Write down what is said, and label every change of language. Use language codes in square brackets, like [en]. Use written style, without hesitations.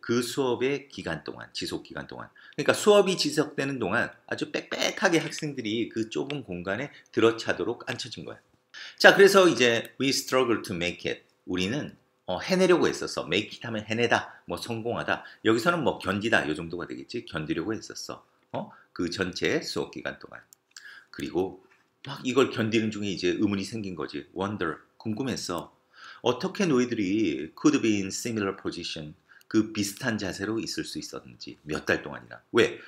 [ko] 그 수업의 기간 동안, 지속 기간 동안. 그러니까 수업이 지속되는 동안 아주 빽빽하게 학생들이 그 좁은 공간에 들어차도록 앉혀진 거야. 자, 그래서 이제 [en] we struggle to make it. [ko] 우리는 해내려고 했었어. make it 하면 해내다, 뭐 성공하다. 여기서는 뭐 견디다, 요 정도가 되겠지. 견디려고 했었어. 그 전체 수업 기간 동안. 그리고 막 이걸 견디는 중에 이제 의문이 생긴 거지. wonder, 궁금했어. 어떻게 노예들이 [en] could be in similar position, [ko] 그 비슷한 자세로 있을 수 있었는지. 몇 달 동안이나. 왜?